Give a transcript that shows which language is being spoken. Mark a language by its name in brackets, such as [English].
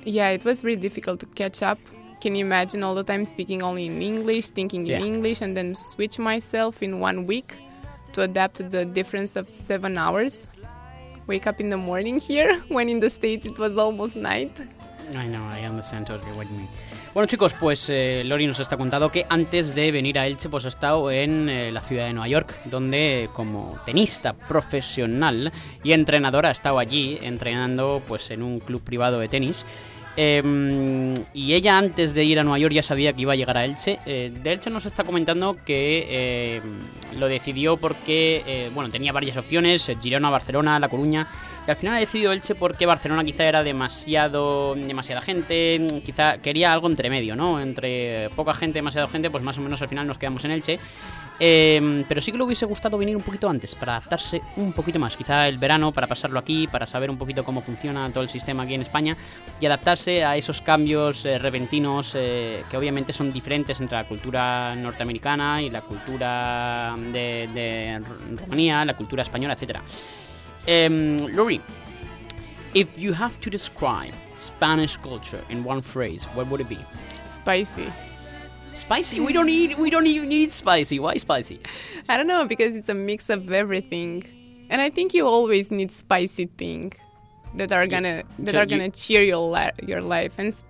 [English] Yeah, it was really difficult to catch up. Can you imagine all the time speaking only in English, thinking in English, and then switch myself in 1 week to adapt to the difference of 7 hours? Wake up in the morning here, when in the States it was almost night. I know, I understand totally what you mean. [Spanish] Bueno, chicos, pues Lori nos está contando que antes de venir a Elche, pues ha estado en la ciudad de Nueva York, donde como tenista profesional y entrenadora ha estado allí entrenando pues en un club privado de tenis. Y ella antes de ir a Nueva York ya sabía que iba a llegar a Elche. De Elche nos está comentando que lo decidió porque tenía varias opciones, Girona, Barcelona, La Coruña... Y al final ha decidido Elche porque Barcelona quizá era demasiada gente, quizá quería algo entre medio, ¿no? Entre poca gente, demasiada gente, pues más o menos al final nos quedamos en Elche. Pero sí que le hubiese gustado venir un poquito antes, para adaptarse un poquito más. Quizá el verano, para pasarlo aquí, para saber un poquito cómo funciona todo el sistema aquí en España y adaptarse a esos cambios repentinos que obviamente son diferentes entre la cultura norteamericana y la cultura de Rumanía, la cultura española, etcétera. [English] Lori, if you have to describe Spanish culture in one phrase, what would it be? Spicy. Spicy? We don't even need spicy. Why spicy? I don't know, because it's a mix of everything. And I think you always need spicy things that are gonna cheer your life. And